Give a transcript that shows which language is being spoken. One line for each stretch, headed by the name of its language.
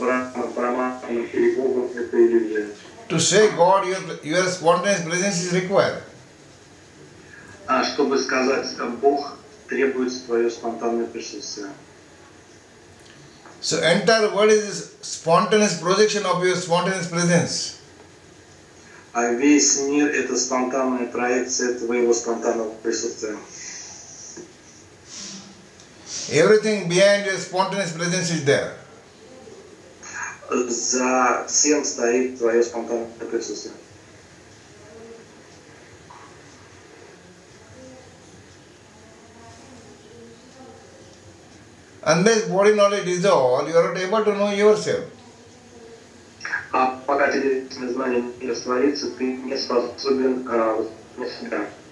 English: To say God, your spontaneous presence is required.
Russian: Чтобы сказать Бог, требуется твое спонтанное присутствие.
English: So entire world is spontaneous projection of your spontaneous presence.
Russian: А весь мир это спонтанная проекция твоего спонтанного присутствия.
English: Everything behind your spontaneous presence is there.
Russian: За всем стоит твое спонтанное присутствие.
English: Unless body knowledge dissolves, you are not able to know yourself.
Russian: Пока телесное знание не растворится, ты не способен узнать себя.